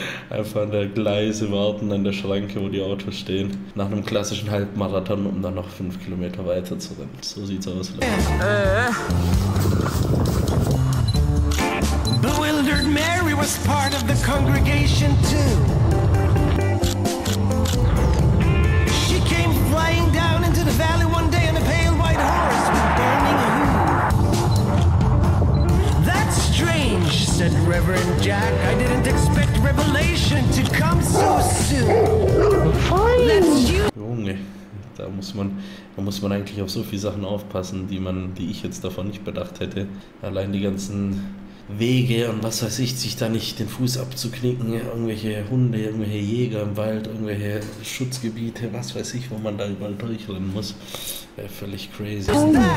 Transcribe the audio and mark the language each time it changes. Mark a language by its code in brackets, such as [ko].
[de] Einfach an der Gleise warten, an der Schranke, wo die Autos stehen. Nach einem klassischen Halbmarathon, um dann noch 5 Kilometer weiter zu rennen. So sieht's aus. [en] Bewildered Mary was part of the congregation too. She came flying down into the valley one day on a pale white horse with burning hue. That's strange, said Reverend Jack. I didn't expect revelation to come so soon. [de] Junge, da muss man eigentlich auf so viele Sachen aufpassen, die ich jetzt davon nicht bedacht hätte. Allein die ganzen Wege und was weiß ich, sich da nicht den Fuß abzuknicken, irgendwelche Hunde, irgendwelche Jäger im Wald, irgendwelche Schutzgebiete, was weiß ich, wo man da überall durchrennen muss. Wäre völlig crazy. Und